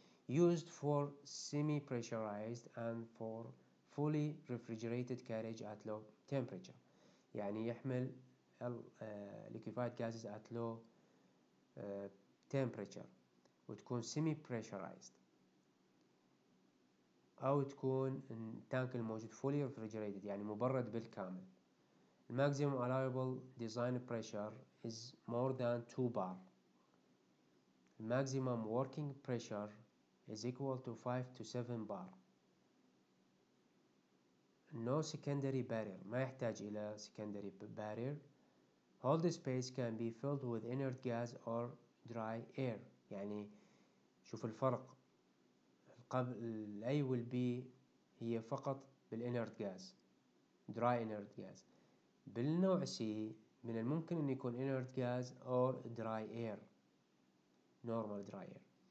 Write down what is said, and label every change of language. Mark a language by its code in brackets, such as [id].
[en] Used for semi-pressurized and for fully refrigerated carriage at low temperature. [ar] يعني يحمل [en] liquefied gases at low temperature [ar] وتكون semi-pressurized، أو تكون التانك الموجود [en] fully refrigerated [ar] يعني مبرد بالكامل. [en] Maximum allowable design pressure is more than 2 bar. Maximum working pressure is equal to 5 to 7 bar. No secondary barrier، [ar] ما يحتاج إلى [en] secondary barrier. All the space can be filled with inert gas or dry air. [ar] يعني شوف الفرق قبل A وال B، هي فقط بالإنرت غاز، [en] dry inert gas. [ar] بالنوع C من الممكن أن يكون [en] inert gas or dry air، normal dry air.